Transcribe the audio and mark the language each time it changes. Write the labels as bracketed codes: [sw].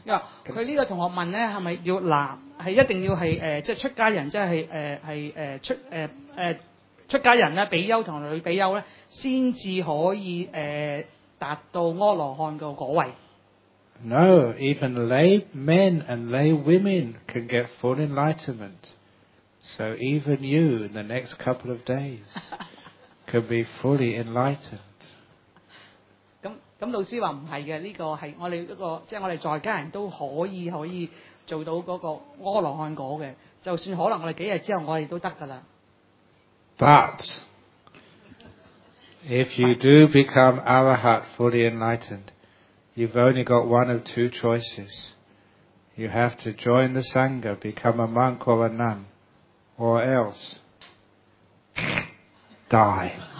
[yue] Yeah, 佢呢個同學問咧，係咪要男係一定要係即係出家人，即係出家人咧，比丘同女比丘咧，先至可以達到阿羅漢個果位 [en] ？No, even lay men and lay women can get full enlightenment. So even you, in the next couple of days, can be fully enlightened. [yue] 咁老師話唔係嘅，呢個係我哋一個，即係我哋在家人都可以做到嗰個阿羅漢果嘅。就算可能我哋幾日之後，我哋都得㗎啦。 [en] But if you do become arahat fully enlightened, you've only got one of two choices. You have to join the sangha, become a monk or a nun, or else die.